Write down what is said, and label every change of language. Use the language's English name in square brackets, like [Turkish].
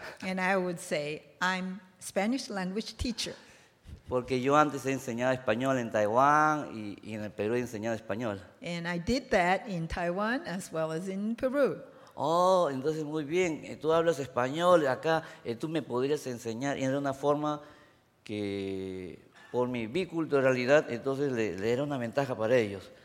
[English] And I would say, I'm Spanish language teacher. [Spanish] Porque yo antes he enseñado español en Taiwán y en el Perú he enseñado español. [English] And I did that in Taiwan as well as in Peru. [Spanish] Oh, entonces muy bien. Tú hablas español acá. Tú me podrías enseñar. Y era una forma que, por mi biculturalidad, entonces le era una ventaja para ellos.